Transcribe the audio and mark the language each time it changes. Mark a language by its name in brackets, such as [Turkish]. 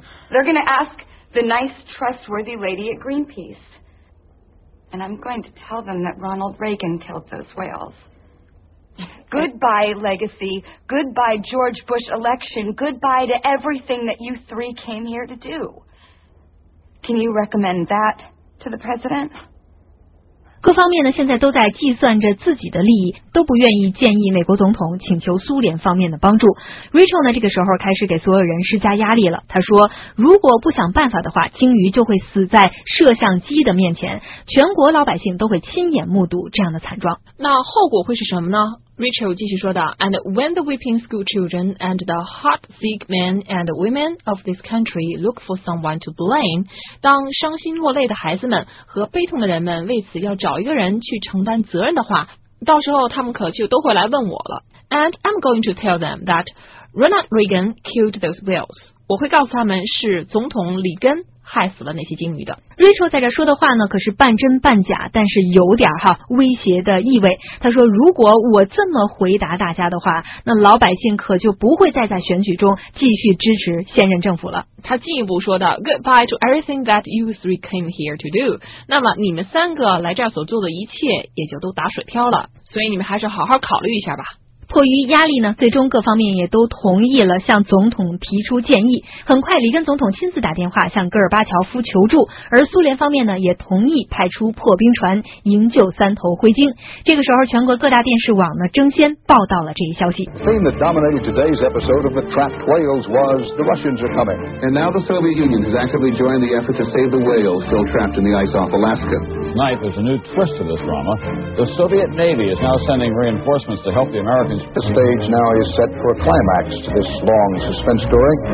[English] They're going to ask the nice, trustworthy lady at Greenpeace. And I'm going to tell them that Ronald Reagan killed those whales. Goodbye, legacy. Goodbye, George Bush election. Goodbye to everything that you three came here to do. Can you recommend that to the president? [Chinese] 各方面呢，现在都在计算着自己的利益，都不愿意建议美国总统请求苏联方面的帮助。 Rachel 呢，这个时候开始给所有人施加压力了。他说，如果不想办法的话，鲸鱼就会死在摄像机的面前，全国老百姓都会亲眼目睹这样的惨状。那后果会是什么呢？Rachel 继续说道 [English] And when the weeping school children and the heartsick men and women of this country look for someone to blame, [Chinese] 当伤心落泪的孩子们和悲痛的人们为此要找一个人去承担责任的话，到时候他们可就都会来问我了。 [English] And I'm going to tell them that Ronald Reagan killed those whales. [Chinese] 我会告诉他们是总统里根害死了那些鲸鱼的。 Rachel 在这说的话呢，可是半真半假，但是有点哈威胁的意味。他说，如果我这么回答大家的话，那老百姓可就不会再在选举中继续支持现任政府了。他进一步说道 [English] Goodbye to everything that you three came here to do. [Chinese] 那么你们三个来这儿所做的一切也就都打水漂了，所以你们还是好好考虑一下吧。迫于压力呢，最终各方面也都同意了向总统提出建议。很快，里根总统亲自打电话向戈尔巴乔夫求助，而苏联方面呢也同意派出破冰船营救三头灰鲸。这个时候，全国各大电视网呢争先报道了这一消息。 [English] The theme that dominated today's episode of the trapped whales was the Russians are coming, and now the Soviet Union has actively joined the effort to save the whales still trapped in the ice off Alaska. Tonight, there's a new twist to this drama. The Soviet Navy is now sending reinforcements to help the Americans The stage now is set for a climax to this long suspense story.